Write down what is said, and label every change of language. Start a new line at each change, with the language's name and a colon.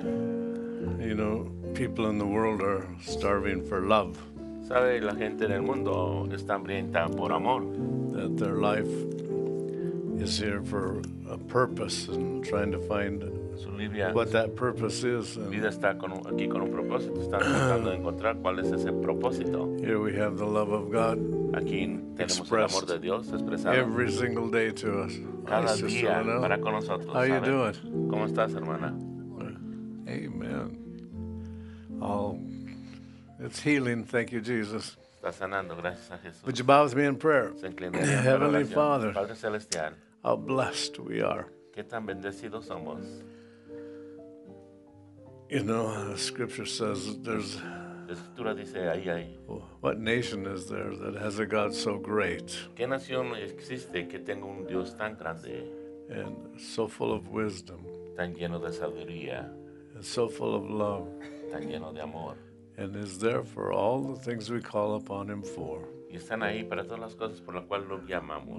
English: You know, people in the world are starving for love.
Spanish: ¿Sabe? La gente en el mundo está hambrienta por amor.
English: That their life is here for a purpose and trying to find what that purpose is.
Spanish: Vida está aquí con un propósito, están tratando de encontrar cuál es ese propósito.
English: Here we have the love of God.
Spanish: Aquí tenemos el amor de Dios expresado.
English: Every single day to us.
Spanish: Cada día para con nosotros.
English: How you doing?
Spanish: ¿Cómo estás, hermana?
English: Amen. Oh, it's healing. Thank you, Jesus.
Spanish: Está sanando, gracias a Jesús.
English: Would you bow with me in prayer?
Spanish: Se inclina en oración.
English: Heavenly Father.
Spanish: Padre celestial.
English: How blessed we are.
Spanish: Qué tan bendecidos somos.
English: You know, the scripture says that there's...
Spanish: La escritura dice ahí, ahí.
English: What nation is there that has a God so great?
Spanish: ¿Qué nación existe que tenga un Dios tan grande?
English: And so full of wisdom.
Spanish: Tan lleno de sabiduría.
English: And so full of love.
Spanish: Tan lleno de amor.
English: And is there for all the things we call upon him for.
Spanish: Y están ahí para todas las cosas por las cuales lo llamamos.